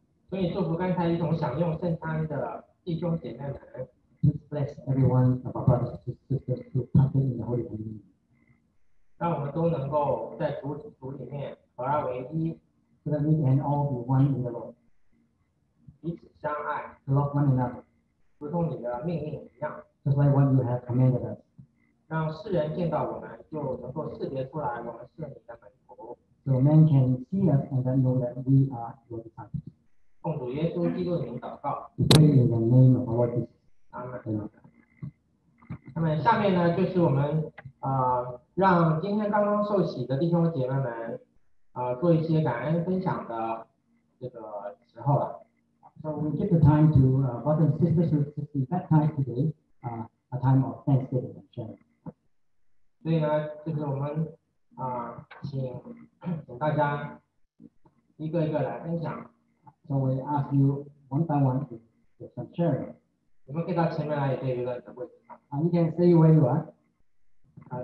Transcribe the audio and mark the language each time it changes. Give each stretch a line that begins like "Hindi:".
Chinese: 所以祝福刚才一同享用圣餐的弟兄姐妹们。
English: Bless everyone of our brothers and sisters who partake in the Holy Communion.
Chinese: 让我们都能够在主子主里面合而为一
English: so that we can all be one in the Lord.
Chinese: 彼此相爱
English: to love one another.
Chinese: 如同你的命令一样
English: just like what you have commanded us.
Chinese: 让世人见到我们就能够识别出来我们是你的门徒
English: so men can see us and then know that we are your disciples.
Chinese: 奉主耶稣基督的名祷告
English: We pray in the name of our Lord Jesus. Amen.
Chinese: 那么下面呢，就是我们让今天刚刚受洗的弟兄姐妹们做一些感恩分享的这个时候了。
English: So we took the time to brothers and sisters who received that time today, a time of thanksgiving and sharing.
Chinese: 所以呢，就是我们请大家一个一个来分享。
English: So we ask you one by one to get some sharing.
Chinese: 你们可以到前面来，也可以留在你的位置上。
English: You can see where you are.